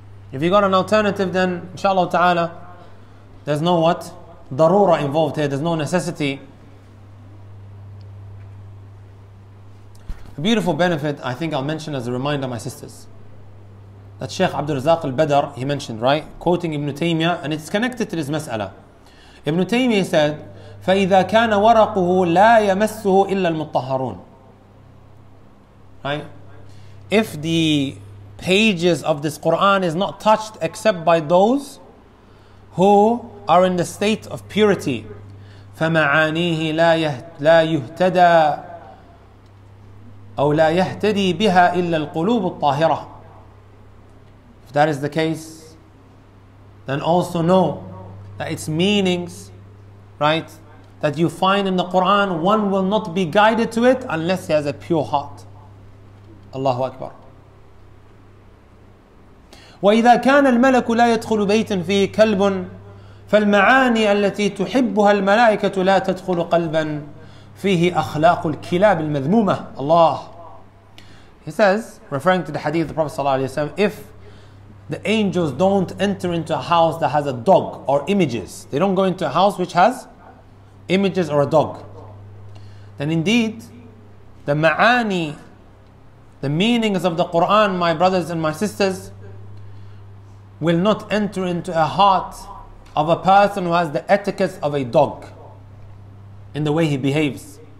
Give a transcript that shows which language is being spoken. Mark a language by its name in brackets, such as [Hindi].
[English] If you got an alternative, then inshallah ta'ala, there's no what? Darura involved here. There's no necessity. A beautiful benefit, I think I'll mention as a reminder, my sisters, that Shaykh Abdul Razak al-Badr, he mentioned, right? Quoting Ibn Taymiyyah, and it's connected to this mas'ala. Ibn Taymiyyah said, [Arabic] فَإِذَا كَانَ وَرَقُهُ لَا يَمَسُّهُ إِلَّا الْمُطَّهَرُونَ. [English] Right? If the pages of this Qur'an is not touched except by those who are in the state of purity, [Arabic] فَمَعَانِيهِ لَا يُهْتَدَى أو لا يهتدي بها إلا القلوب الطاهرة. [English] If that is the case, then also know that its meanings, right, that you find in the Quran, one will not be guided to it unless he has a pure heart. Allahu Akbar. [Arabic] وإذا كان الملك لا يدخل بيتا فيه كلب فالمعاني التي تحبها الملائكة لا تدخل قلبا فيه أخلاق الكلاب المذمومة. [English] Allah. He says, referring to the hadith of the Prophet sallallahu alaihi wasallam, if the angels don't enter into a house that has a dog or images, they don't go into a house which has images or a dog, then indeed the ma'ani, the meanings of the Quran, my brothers and my sisters, will not enter into a heart of a person who has the etiquette of a dog in the way he behaves.